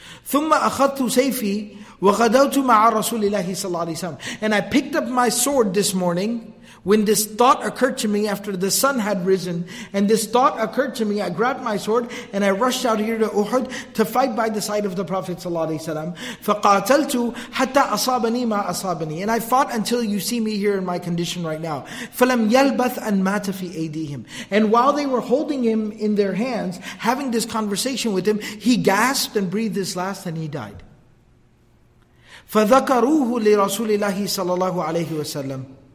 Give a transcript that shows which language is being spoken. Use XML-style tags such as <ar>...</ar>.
<ar>ثُمَّ أَخَذْتُ سَيْفِي وَغَدَوْتُ مَعَ رَسُولِ اللَّهِ صَلَّى اللَّهِ عَلَيْهِ وَسَلَّمَ.</ar> <en>And I picked up my sword this morning when this thought occurred to me after the sun had risen. And this thought occurred to me, I grabbed my sword and I rushed out here to Uhud to fight by the side of the Prophet ﷺ.</en> <ar>فَقَاتَلْتُ حَتَّى أَصَابَنِي مَا أَصَابَنِي.</ar> <en>And I fought until you see me here in my condition right now.</en> <ar>فَلَمْ يَلْبَثْ أَنْ مَاتَ فِي أَيْدِيهِمْ.</ar> <en>And while they were holding him in their hands, having this conversation with him, he gasped and breathed his last and he died.</en> <ar>فَذَكَرُوهُ لِرَسُولِ اللَّهِ صَلَى اللَّهُ عَلَيْهِ وَسَلَّمْ.</ar>